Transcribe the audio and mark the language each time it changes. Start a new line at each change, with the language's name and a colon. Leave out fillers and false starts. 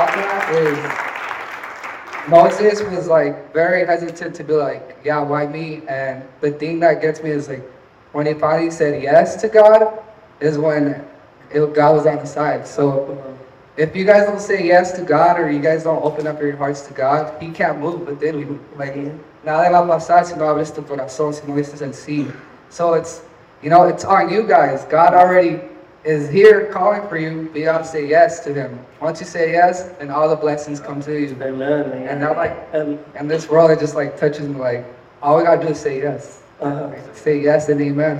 English: Yeah, one thing that I love about that is Moses was like very hesitant to be like, yeah, why me? And the thing that gets me is like when he finally said yes to God is when God was on his side. So if you guys don't say yes to God or you guys don't open up your hearts to God, he can't move within you.
Spanish: Like, nada va a pasar si no abres tu corazón, si no dices el sí.
English: So it's, you know, it's on you guys. God already is here calling for you, but you have to say yes to him. Once you say yes, then all the blessings come to you. Amen. And now, like, and this world, it just like touches me. Like, all we gotta do is say yes. Like, say yes and amen.